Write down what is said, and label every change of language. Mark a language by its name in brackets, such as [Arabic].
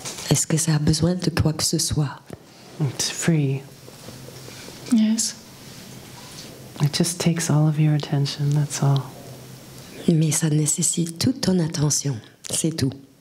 [French] Est-ce que ça a besoin de quoi que ce soit? [English] It's free. Yes. It just takes all of your attention, that's all. [French] Mais ça nécessite toute ton attention, c'est tout.